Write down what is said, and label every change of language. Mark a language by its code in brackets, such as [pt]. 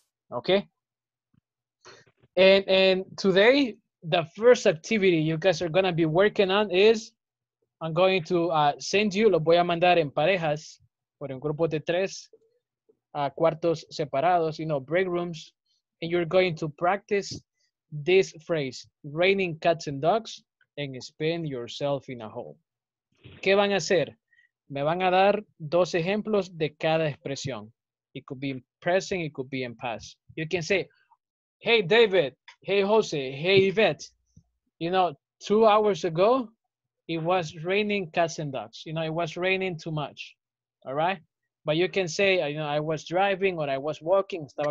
[en] Okay. And today, the first activity you guys are going to be working on is, I'm going to send you, [es] lo voy a mandar en parejas, por un grupo de tres, cuartos separados, [en] you know, break rooms. And you're going to practice this phrase, raining cats and dogs. And spend yourself in a hole. [es] ¿Qué van a hacer? Me van a dar dos ejemplos de cada expresión. [en] It could be in present, it could be in past. You can say, hey David, hey Jose, hey Yvette. You know, 2 hours ago, it was raining cats and dogs. You know, it was raining too much. All right? But you can say, you know, I was driving or I was walking.